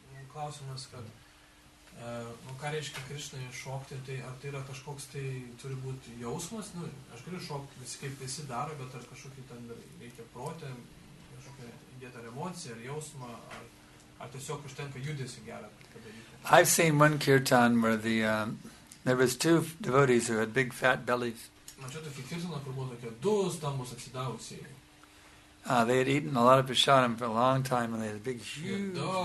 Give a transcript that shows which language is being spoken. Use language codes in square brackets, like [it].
[lt] Ką reiškia Krišnai šokti, tai ar tai yra kažkoks tai turi būti jausmas, nu, aš galiu šokti visi kaip visi daro, bet ar kažkokį ten reikia protę, kažkokią įdėtą emociją ar jausmą, ar tiesiog užtenka judesį gerą padaryti. [en] I've seen one kirtan where the there was two devotees who had big fat bellies. [lt] Mačiau tokį kirtaną, kur buvo tokie du stambūs atsidavusieji. [en] They had eaten a lot of prasadam for a long time, and they had a big, huge.